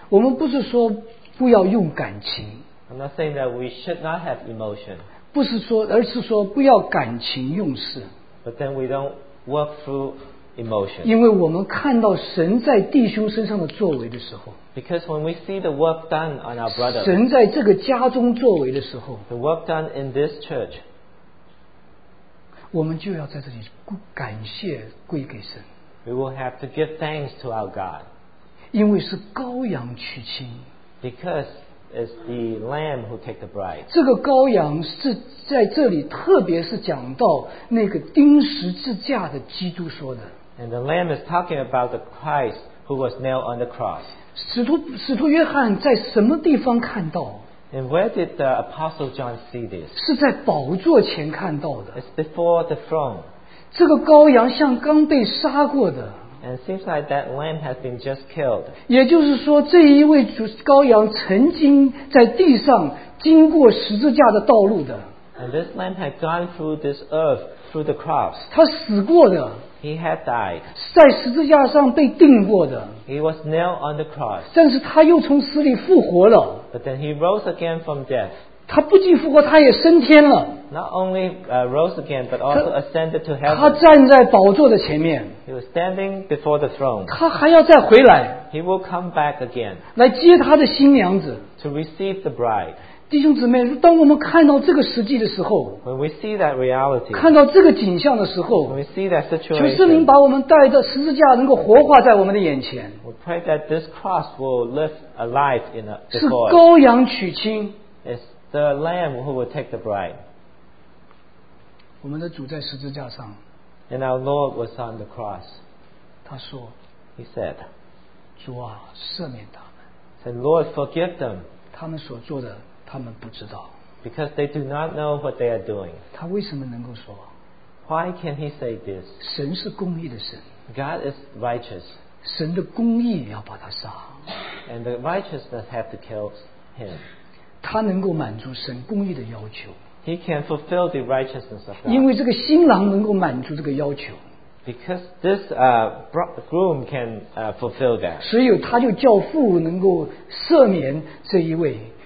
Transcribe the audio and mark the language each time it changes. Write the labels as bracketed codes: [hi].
[zh] 我们不是说不要用感情。 [en] I'm not saying that we should not have emotion. [zh] 不是说，而是说不要感情用事。 [en] But then we don't work through. Emotion. [zh] 因为我们看到神在弟兄身上的作为的时候， [en] Because when we see the work done on our brother, [zh] 神在这个家中作为的时候， [en] the work done in this church, [zh] 我们就要在这里感谢归给神。 [en] We will have to give thanks to our God. [zh] 因为是羔羊娶亲， [en] Because it's the lamb who take the bride. [zh] 这个羔羊是在这里特别是讲到那个钉十字架的基督说的。 [en] And the Lamb is talking about the Christ who was nailed on the cross. [zh] 使徒约翰在什么地方看到？ [en] And where did the Apostle John see this? [zh] 是在宝座前看到的。 [en] It's before the throne. [zh] 这个羔羊像刚被杀过的。 [en] And it seems like that Lamb has been just killed. [zh] 也就是说，这一位羔羊曾经在地上经过十字架的道路的。 [en] And this man had gone through this earth through the cross. [zh] 他死过的, [en] he had died. [zh] 在十字架上被钉过的, [en] he was nailed on the cross. [zh] 但是他又从死里复活了, [en] but then he rose again from death. [zh] 他不仅复活, [en] not only rose again, but also ascended to heaven. [zh] 他站在宝座的前面, [en] he was standing before the throne. [zh] 他还要再回来, [en] he will come back again [zh] 来接他的新娘子, [en] to receive the bride. [zh] 弟兄姊妹, 当我们看到这个实际的时候, [en] when we see that reality, [zh] 看到这个景象的时候, [en] when we see that situation, [zh] 求圣灵把我们带着十字架能够活化在我们的眼前, [en] we pray that this cross will live alive in the before us. [zh] 是羔羊娶亲, [en] it's the lamb who will take the bride. [zh] 我们的主在十字架上, [en] and our Lord was on the cross. [zh] 他说, [en] he said, [zh] 主啊, 赦免他们, [en] said, Lord, forgive them. [zh] 他们所做的, [en] because they do not know what they are doing. [zh] 他为什么能够说, [en] why can he say this? [zh] 神是公义的神, [en] God is righteous. [zh] 神的公义要把他杀, [en] and the righteousness have to kill him. [zh] 他能够满足神公义的要求, [en] he can fulfill the righteousness of God. [zh] 因为这个新郎能够满足这个要求, [en] because this groom can fulfill that. [zh] 所以他就叫父能够赦免这一位,